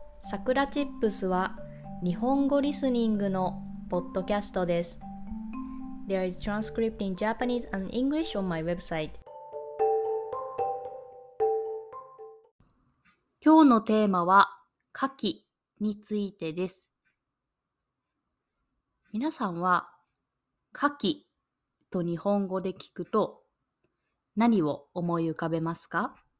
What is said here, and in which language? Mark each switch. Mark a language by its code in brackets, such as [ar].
[ja] さくらチップスは日本語リスニングのポッドキャストです。 [en] There is transcript in Japanese and English on my website。 [ja] 今日のテーマは牡蠣についてです。皆さんは牡蠣と日本語で聞くと何を思い浮かべますか？